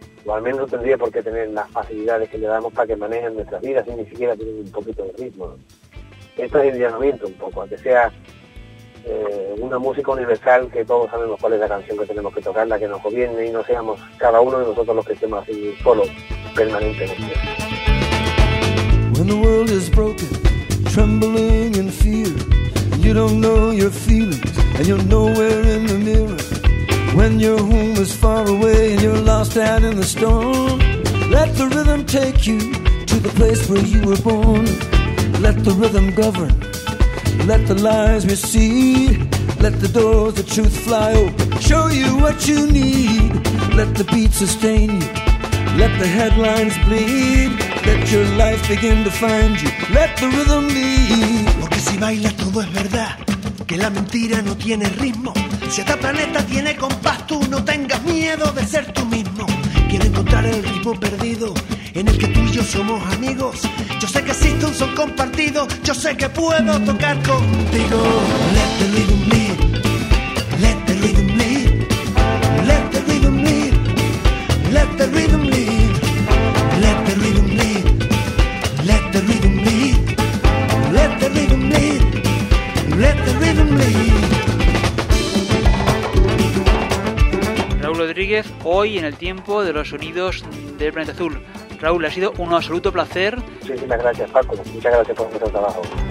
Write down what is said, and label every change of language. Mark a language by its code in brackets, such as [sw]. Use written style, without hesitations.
[es] O al menos tendría por qué tener las facilidades que le damos para que manejen nuestras vidas sin ni siquiera tener un poquito de ritmo, ¿no? Esto es el llamamiento un poco, a que sea una música universal, que todos sabemos cuál es la canción que tenemos que tocar, la que nos gobierne, y no seamos cada uno de nosotros los que estemos así solo, permanentemente. [en] When the world is broken, trembling in fear, you don't know your feelings, and you're nowhere in the mirror. When your home is far away and you're lost out in the storm, let the rhythm take you to the place where you were born. Let the rhythm govern, let the lies we see, let the doors of truth fly open, show you what you need. Let the beat sustain you, let the headlines bleed, let your life begin to find you, let the rhythm lead. [es] Porque si baila todo es verdad, que la mentira no tiene ritmo. Si este planeta tiene compás, tú no tengas miedo de ser tú mismo. Quiero encontrar el ritmo perdido en el que tú y yo somos amigos. Yo sé que existe un son compartido, yo sé que puedo tocar contigo. [en] Let the rhythm lead, let the rhythm lead, let the rhythm lead, let the rhythm lead, let the rhythm lead, let the rhythm lead, let the rhythm lead, let the rhythm lead. [es] Rodríguez, hoy en el tiempo de los sonidos del Planeta Azul. Raúl, ha sido un absoluto placer. Muchísimas gracias, Paco. Muchas gracias por vuestro trabajo.